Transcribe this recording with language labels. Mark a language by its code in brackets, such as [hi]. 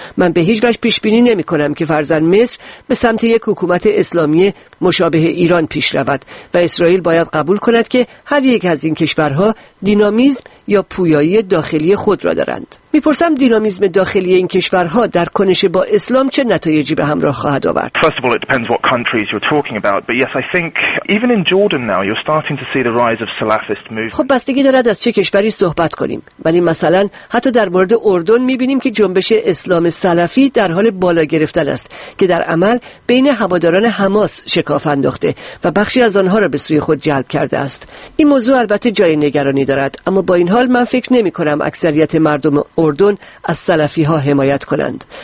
[fa] من به هیچ وجه پیش بینی نمی‌کنم که فرزند مصر به سمت یک حکومت اسلامی مشابه ایران پیش رود و اسرائیل باید قبول کند که هر یک از این کشورها دینامیزم یا پویایی داخلی خود را دارند. میپرسم دینامیزم داخلی این کشورها در کنش با اسلام چه نتایجی به همراه خواهد آورد؟ [en] First of all, it depends what countries you're talking about, but yes, I think even in Jordan now you're starting to see the rise of Salafist movement. [fa] خب بستگی دارد از چه کشوری صحبت کنیم. ولی مثلا حتی در مورد اردن میبینیم که جنبش اسلام سلفی در حال بالا گرفتن است که در عمل بین هواداران حماس شکاف انداخته و بخشی از آنها را به سوی خود جلب کرده است. این موضوع البته جای نگرانی دارد، اما با این حال من فکر نمی‌کنم اکثریت مردم اردن از سلفی‌ها حمایت کنند.